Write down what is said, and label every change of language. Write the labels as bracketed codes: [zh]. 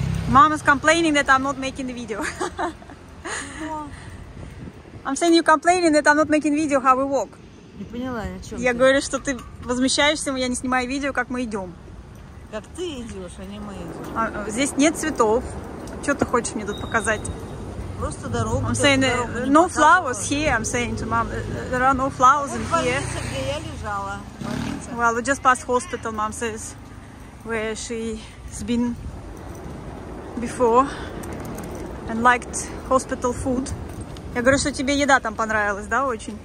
[en] Mom is complaining that I'm not making the video. I'm saying you're complaining that I'm not making video how we walk. [ru] Не поняла, о чем. Я говорю, что ты возмущаешься, я не снимаю видео, как мы идем. Как ты идешь, а не мы идем. Здесь нет цветов. Что ты хочешь мне тут показать? Просто дорогу. [en] I'm saying no flowers here. I'm saying to mom, there are no flowers in here. [ru] Где я лежала? [en] Well, we just passed hospital. Mom says where she's been before and liked hospital food. [ru] Я говорю, что тебе еда там понравилась, да, очень?